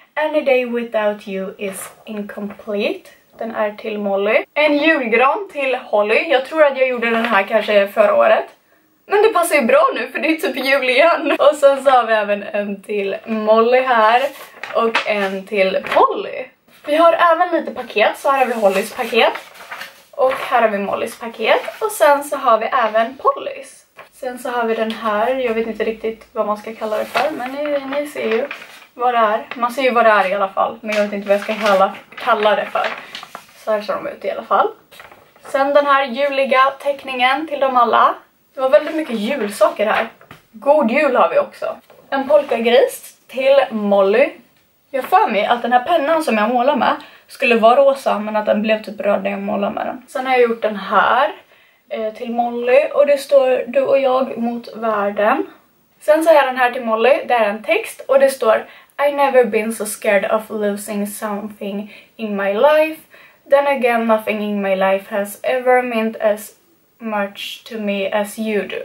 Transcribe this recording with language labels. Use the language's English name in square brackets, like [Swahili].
[English] Any day without you is incomplete. [Swedish] Den är till Molly. En julgran till Holly. Jag tror att jag gjorde den här kanske förra året. Men det passar ju bra nu för det är typ jul igen. Och sen så har vi även en till Molly här. Och en till Polly. Vi har även lite paket, så här har vi Hollys paket. Och här har vi Mollys paket. Och sen så har vi även Pollys. Sen så har vi den här, jag vet inte riktigt vad man ska kalla det för. Men ni ser ju vad det är. Man ser ju vad det är i alla fall. Men jag vet inte vad jag ska kalla det för. Så här ser de ut i alla fall. Sen den här juliga teckningen till dem alla. Det var väldigt mycket julsaker här. God jul har vi också. En polkagris till Molly. Jag för mig att den här pennan som jag målar med skulle vara rosa men att den blev typ röd när jag målar med den. Sen har jag gjort den här till Molly och det står du och jag mot världen. Sen så har jag den här till Molly, det är en text och det står [English] I never been so scared of losing something in my life. Then again, nothing in my life has ever meant as much to me as you do.